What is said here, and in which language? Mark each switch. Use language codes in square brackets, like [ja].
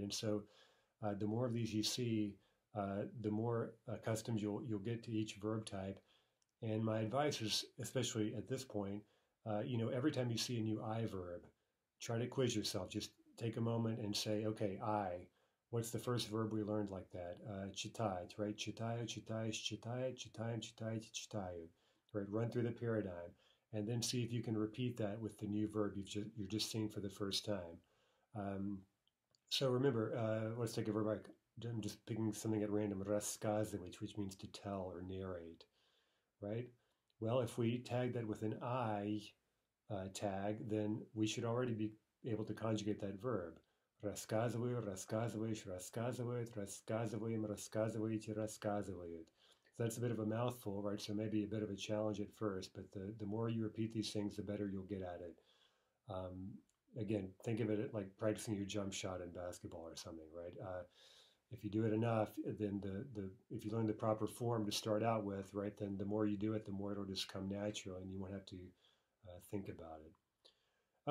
[en] And so the more of these you see, the more accustomed you'll get to each verb type. And my advice is, especially at this point, you know, every time you see a new I verb, try to quiz yourself. Just take a moment and say, okay, I, what's the first verb we learned like that? [ru] Читать, [en] right? [ru] Читаю, читаешь, читает, читаем, читаете, читаю, [en] right? Run through the paradigm and then see if you can repeat that with the new verb you're just seeing for the first time. So remember, let's take a verb like, I'm just picking something at random, рассказывать, which means to tell or narrate, right? Well, if we tag that with an I tag, then we should already be able to conjugate that verb. [ru] Рассказываю, рассказываешь, рассказывает, рассказываем, рассказываете, рассказывает. [en] So that's a bit of a mouthful, right? So maybe a bit of a challenge at first, but the more you repeat these things, the better you'll get at it. Again, think of it like practicing your jump shot in basketball or something, right? If you do it enough, then if you learn the proper form to start out with, right, then the more you do it, the more it'll just come natural and you won't have to think about it.